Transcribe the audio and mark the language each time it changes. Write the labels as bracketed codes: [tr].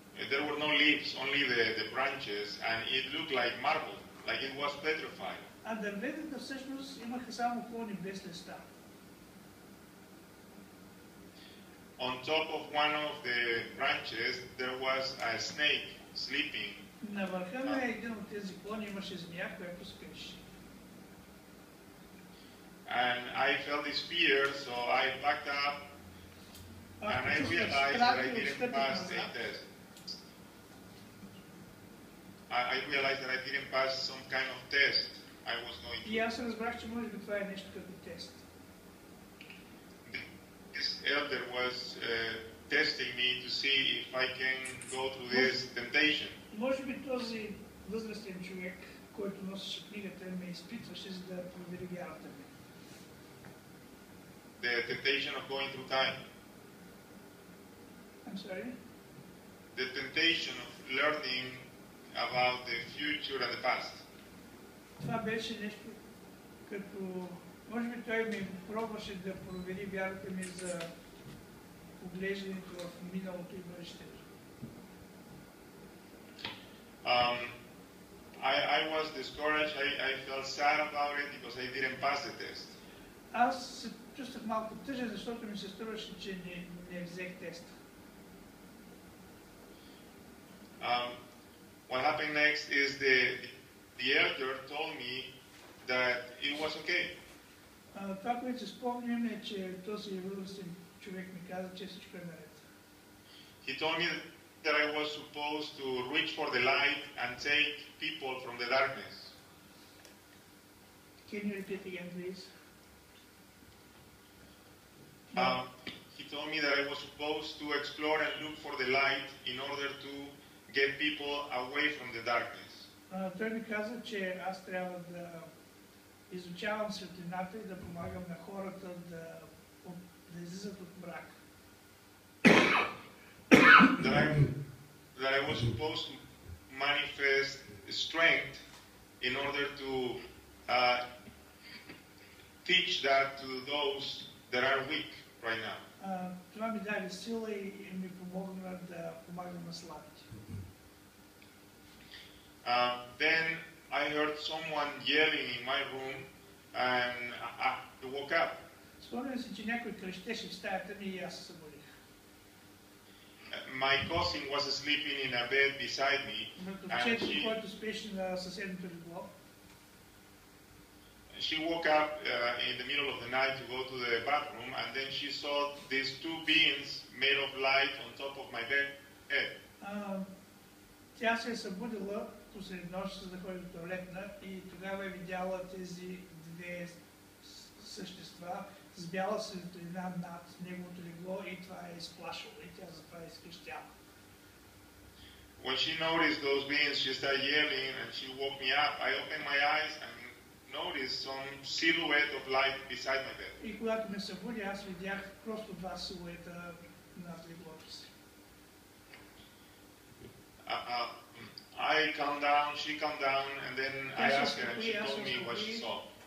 [en] There were no leaves, only the branches, and it looked like marble, like it was petrified. And the [bg] дървета всъщност имаха само клони без листа. [en] On top of one of the branches, there was a snake sleeping. [bg] На върха на един от тези клони имаше змия, която спеше. [en] And I felt this fear, so I backed up, and I realized that I didn't pass the test. I realized that I didn't pass some kind of test I was going to. [bg] И аз разбрах, че може би това е нещо като тест. [en] This elder was testing me to see if I can go through this temptation. [bg] Може би този възрастен човек, който носеше книгата, ме изпитваше, за да провери вярата ми. [en] The temptation of going through time. I'm sorry? The temptation of learning about the future and the past. [bg] Това беше нещо като... Може би той ми пробваше да провери вярата ми за поглеждането в миналото и бъдещето. [en] I was discouraged. I felt sad about it because I didn't pass the test. [bg] Аз се чувствах малко тъжен, защото ми се струваше, че не взех теста. [en] What happened next is the elder told me that it was okay. [bg] Това, което се спомням, е, че този възрастен човек ми каза, че всичко е наред. [en] He told me that I was supposed to reach for the light and take people from the darkness. Can you repeat again, please? He told me that I was supposed to explore and look for the light in order to get people away from the darkness. [bg] Той ми каза, че аз трябва да изучавам светлината и да помагам на хората да излизат от мрак. [en] That I was supposed to manifest strength in order to teach that to those that are weak right now. [bg] Това ми даде сила и ми помогна да помагам на слабите. [en] Then I heard someone yelling in my room and I woke up. [bg] Спомням си, че някой крещеше в стаята ми и аз се събудих. [en] My cousin was sleeping in a bed beside me. [bg] Който спеше на съседното легло. [en] She woke up in the middle of the night to go to the bathroom and then she saw these two beings made of light on top of my bed. [bg] Тя се събудила посред нощ, за да ходи до туалетна, и тогава е видяла тези две същества с бяла светлина над неговото легло и това е изплашило и тя затова е изкрещяла. [en] When she noticed those beings, she started yelling and she woke me up. I opened my eyes and noticed some silhouette of light beside my bed. [bg] И когато ме събуди, аз видях просто два силуета над леглото си. [en] I calmed down, she calmed down, and then I asked her, and she told me what she saw.